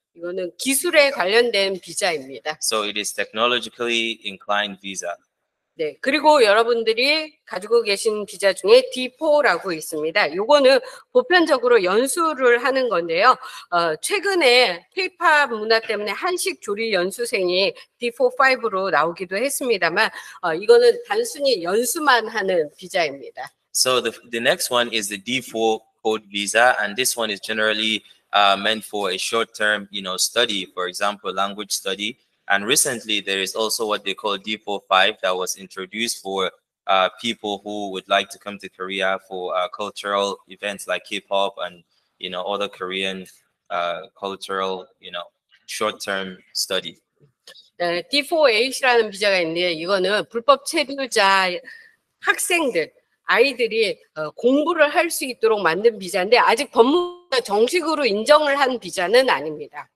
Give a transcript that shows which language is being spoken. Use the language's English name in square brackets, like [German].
[Korean] 이거는 기술에 관련된 비자입니다. [English] So it is technologically inclined visa. [Korean] 네, 그리고 여러분들이 가지고 계신 비자 중에 D4라고 있습니다. 요거는 보편적으로 연수를 하는 건데요. 최근에 K-POP 문화 때문에 한식 조리 연수생이 D4-5로 나오기도 했습니다만 이거는 단순히 연수만 하는 비자입니다. [English] So the next one is the D4 code visa and this one is generally meant for a short term, you know, study, for example, language study. And recently, there is also what they call D4-5 that was introduced for people who would like to come to Korea for cultural events like K-pop and, you know, other Korean cultural, you know, short-term study. [Korean] D4-8이라는 비자가 있는데 이거는 불법 체류자 학생들, 아이들이 공부를 할 수 있도록 만든 비자인데 아직 법무 정식으로 인정을 한 비자는 아닙니다.